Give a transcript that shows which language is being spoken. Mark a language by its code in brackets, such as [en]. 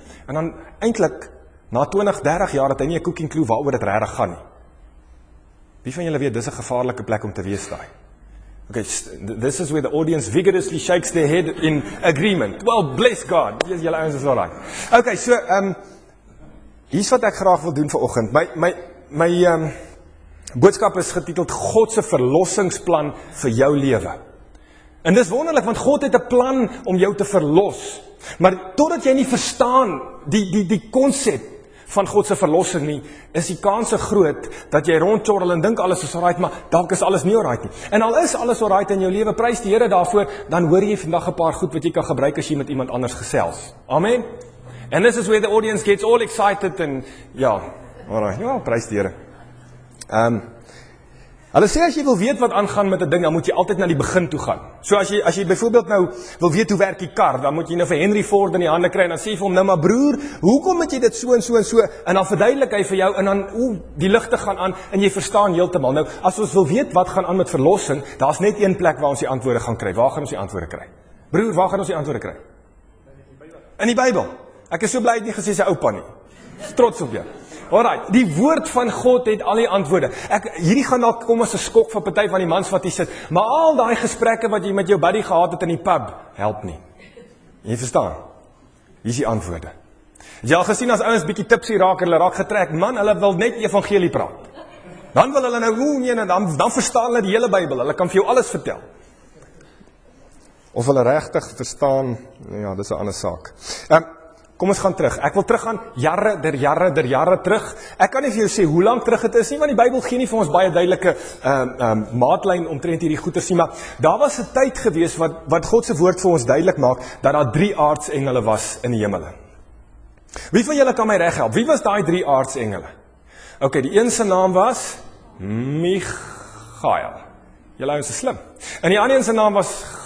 [af] En dan eintlik na 20, 30 jaar het hy nie 'n cooking clue waaroor dit regtig gaan nie. Wie van julle weet dis 'n gevaarlike plek om te wees daai? [en] Okay, this is where the audience vigorously shakes their head in agreement. Well, bless God. [af] Dis julle ouens is al reg. Okay, so hier's wat ek graag wil doen vanoggend. My boodskap is getiteld God se verlossingsplan vir jou lewe. En dis wonderlik want God het 'n plan om jou te verlos. Maar totdat jy nie verstaan die konsep van God se verlossing nie, is die kanse groot dat jy rondtjorrel en dink alles is alright, maar dalk is alles nie alright nie. En al is alles alright in jou lewe, prys die Here daarvoor, dan hoor jy vandag 'n paar goed wat jy kan gebruik as jy met iemand anders gesels. Amen. [en] And this is where the audience gets all excited and [af] ja, alright, ja, prys die Here. Hulle sê as jy wil weet wat aangaan met 'n ding, dan moet jy altyd na die begin toe gaan. So as jy byvoorbeeld nou wil weet hoe werk die kar, dan moet jy nou vir Henry Ford in die hande kry en dan sê vir hom nou maar broer, hoekom het jy dit so en so en so? En dan verduidelik hy vir jou en dan die ligte gaan aan en jy verstaan heeltemal. Nou as ons wil weet wat gaan aan met verlossing, daar's net een plek waar ons die antwoorde gaan kry. Waar gaan ons die antwoorde kry? Broer, waar gaan ons die antwoorde kry? In die Bybel. Ek is so bly het nie gesê sy oupa nie. Trots op jou. Alraai, die woord van God het al die antwoorde. Hierdie gaan dalk kom as 'n skok van party van die mans wat hier sit, maar al daai gesprekke wat jy met jou buddy gehad het in die pub, help nie. Jy verstaan? Hier is die antwoorde. Jy al gesien as ouens bietjie tipsy raak en hulle raak getrek, man, hulle wil net evangelie praat. Dan wil hulle nou, dan verstaan hulle die hele Bybel, hulle kan vir jou alles vertel. Of hulle regtig verstaan, ja, dis 'n ander saak. Kom ons gaan terug. Ek wil teruggaan jare terug. Ek kan nie vir jou sê hoe lank terug dit is nie, want die Bybel gee nie vir ons baie duidelike maatlyn omtrent hierdie goeters nie, maar daar was 'n tyd gewees wat God se woord vir ons duidelik maak dat daar 3 aartsengele was in die hemele. Wie van julle kan my reg help? Wie was daai 3 aartsengele? Okay, die een se naam was Michael. Julle ouens is slim. En die ander een se naam was